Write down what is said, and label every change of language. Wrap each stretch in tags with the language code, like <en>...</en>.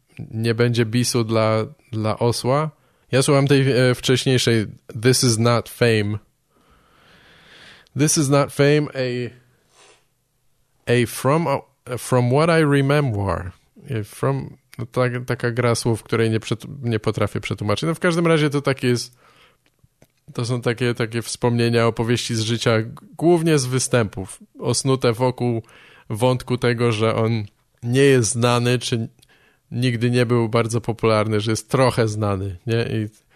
<pl>nie będzie bisu dla osła. Ja słucham tej wcześniejszej</pl> <en>This is not fame. This is not fame, from what I remember.</en> <pl>From, no ta, taka gra słów, której nie potrafię przetłumaczyć. No w każdym razie to takie jest, to są takie wspomnienia, opowieści z życia, głównie z występów, osnute wokół wątku tego, że on nie jest znany, czy nigdy nie był bardzo popularny, że jest trochę znany, nie?</pl>